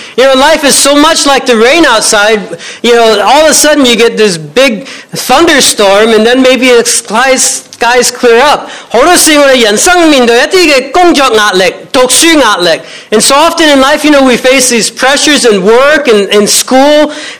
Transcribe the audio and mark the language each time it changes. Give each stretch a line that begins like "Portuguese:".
English: life is so much like the rain outside all of a sudden you get this big thunderstorm and then maybe the skies clear up
Chinese: 好多事我們人生面對一些工作壓力讀書壓力
English: and so often in life we face these pressures in work and in school